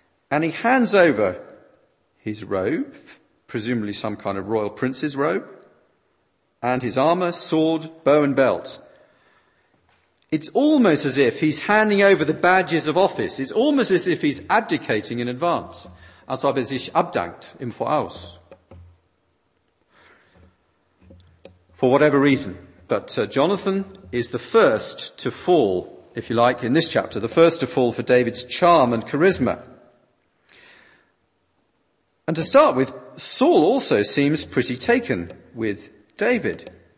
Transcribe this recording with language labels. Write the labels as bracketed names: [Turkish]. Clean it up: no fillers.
[English] And he hands over his robe, presumably some kind of royal prince's robe, and his armor, sword, bow and belt. It's almost as if he's handing over the badges of office. It's almost as if he's abdicating in advance. [German] Als ob er sich abdankt im Voraus. [English] For whatever reason. But Jonathan is the first to fall, if you like, in this chapter, the first to fall for David's charm and charisma. And to start with, Saul also seems pretty taken with David.